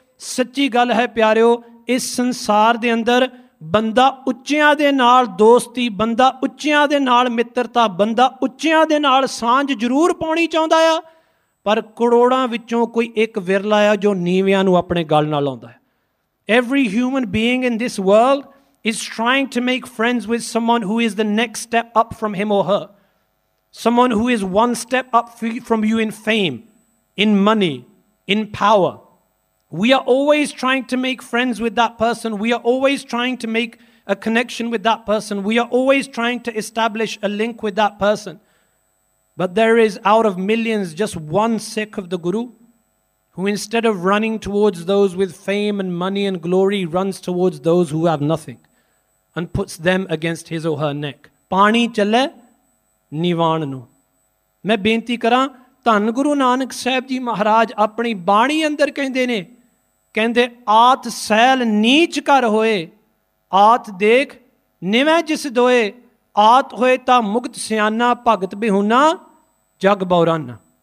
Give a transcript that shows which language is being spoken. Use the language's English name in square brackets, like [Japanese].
[Punjabi] ਸੱਚੀ ਗੱਲ ਹੈ ਪਿਆਰਿਓ, ਇਸ ਸੰਸਾਰ ਦੇ ਅੰਦਰ ਬੰਦਾ ਉੱਚਿਆਂ ਦੇ ਨਾਲ ਦੋਸਤੀ, ਬੰਦਾ ਉੱਚਿਆਂ ਦੇ ਨਾਲ ਮਿੱਤਰਤਾ, ਬੰਦਾ ਉੱਚਿਆਂ ਦੇ ਨਾਲ ਸਾਂਝ ਜ਼ਰੂਰ ਪਾਉਣੀ ਚਾਹੁੰਦਾ ਆ, ਪਰ ਕਰੋੜਾਂ ਵਿੱਚੋਂ ਕੋਈ ਇੱਕ ਵਿਰਲਾ ਆ ਜੋ ਨੀਵਿਆਂ ਨੂੰ ਆਪਣੇ ਗਲ ਨਾਲ ਆਉਂਦਾ ਹੈ। [English] Every human being in this world is trying to make friends with someone who is the next step up from him or her, someone who is one step up from you in fame, in money, in power. We are always trying to make friends with that person. We are always trying to make a connection with that person. We are always trying to establish a link with that person. But there is, out of millions, just one Sikh of the Guru who, instead of running towards those with fame and money and glory, runs towards those who have nothing and puts them against his or her neck. [Punjabi] Pani chale nivan nu. Main binti karan, ਧੰਨ ਗੁਰੂ ਨਾਨਕ ਸਾਹਿਬ ਜੀ ਮਹਾਰਾਜ ਆਪਣੀ ਬਾਣੀ ਅੰਦਰ ਕਹਿੰਦੇ ਨੇ, ਕਹਿੰਦੇ ਆਤ cell ਨੀਚ ਕਰ ਹੋਏ, ਆਤ ਦੇਖ ਨਿਵੇਂ ਜਿਸ ਦੋਏ, ਆਤ ਹੋਏ ਤਾਂ ਮੁਕਤ ਸਿਆਣਾ, ਭਗਤ ਬਿਹੂਨਾ ਜਗ ਬੌਰਾਨਾ।